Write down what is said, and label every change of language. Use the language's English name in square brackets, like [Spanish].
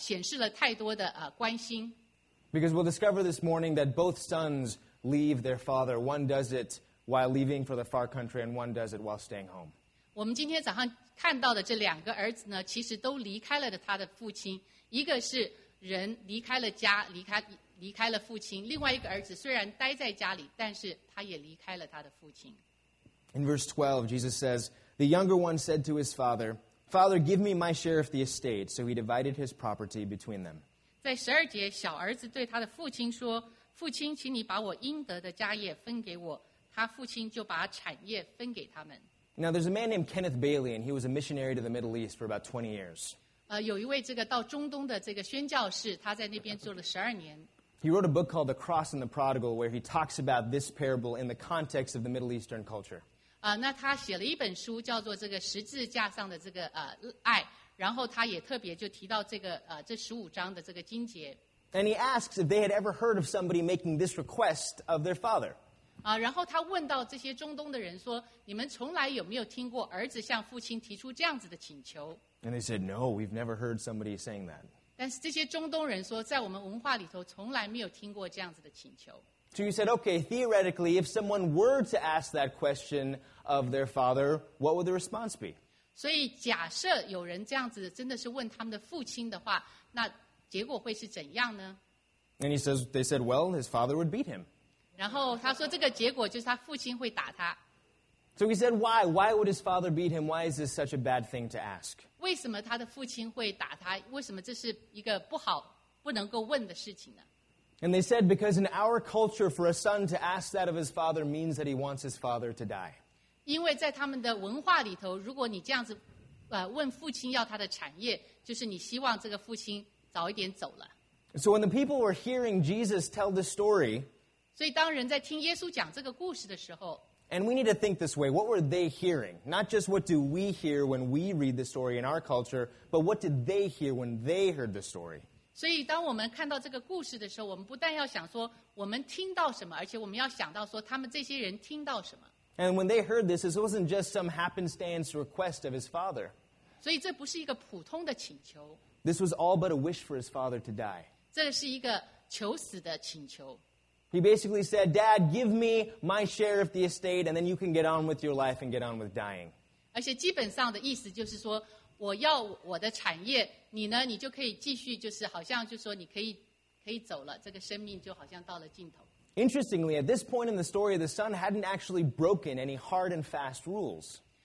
[Chinese] 因为这个故事它的重点是要讲给这些法利赛人听的，因为他们认为耶稣对这个罪人跟税吏显示了太多的关心。 [English] Because we'll discover this morning that both sons leave their father. One does it while leaving for the far country, and one does it while staying home. [Chinese] 我们今天早上看到的这两个儿子呢，其实都离开了他的父亲。一个是人离开了家，离开。离开了父亲，另外一个儿子虽然待在家里，但是他也离开了他的父亲。 [English] In verse 12, Jesus says, "The younger one said to his father, 'Father, give me my share of the estate.' So he divided his property between them." [Chinese] 在十二节，小儿子对他的父亲说：“父亲，请你把我应得的家业分给我。” 他父亲就把产业分给他们。 [English] Now there's a man named Kenneth Bailey, and he was a missionary to the Middle East for about 20 years. [Chinese] 有一位这个到中东的这个宣教士，他在那边做了十二年。 [English] He wrote a book called The Cross and the Prodigal, where he talks about this parable in the context of the Middle Eastern culture. [Chinese] 那他写了一本书叫做这个十字架上的这个爱，然后他也特别就提到这个这十五章的这个经节。 [English] And he asks if they had ever heard of somebody making this request of their father. [Chinese] 然后他问到这些中东的人说，你们从来有没有听过儿子向父亲提出这样子的请求？ [English] And they said, no, we've never heard somebody saying that. [Chinese] 但是这些中东人说，在我们文化里头从来没有听过这样子的请求。 [English] So you said, okay, theoretically, if someone were to ask that question of their father, what would the response be? [Chinese] 所以假设有人这样子真的是问他们的父亲的话，那结果会是怎样呢？ [English] And he says, they said, well, his father would beat him. [Chinese] 然后他说这个结果就是他父亲会打他。 [English] So he said, why? Why would his father beat him? Why is this such a bad thing to ask? [Chinese] 为什么他的父亲会打他？为什么这是一个不好，不能够问的事情呢？ [English] And they said, because in our culture, for a son to ask that of his father means that he wants his father to die. [Chinese] 因为在他们的文化里头，如果你这样子，问父亲要他的产业，就是你希望这个父亲早一点走了。 [English] So when the people were hearing Jesus tell the story, [Chinese] 所以当人在听耶稣讲这个故事的时候， [English] and we need to think this way, what were they hearing? Not just what do we hear when we read the story in our culture, but what did they hear when they heard the story? [Chinese] 所以当我们看到这个故事的时候，我们不但要想说我们听到什么，而且我们要想到说他们这些人听到什么。 [English] And when they heard this, it wasn't just some happenstance request of his father. [Chinese] 所以这不是一个普通的请求。 [English] This was all but a wish for his father to die. [Chinese] 这是一个求死的请求。 [English] He basically said, Dad, give me my share of the estate, and then you can get on with your life and get on with dying. [Chinese] 而且基本上的意思就是说，我要我的产业，你呢，你就可以继续，就是好像就说你可以走了，这个生命就好像到了尽头。 [English] Interestingly, at this point in the story, the son hadn't actually broken any hard and fast rules.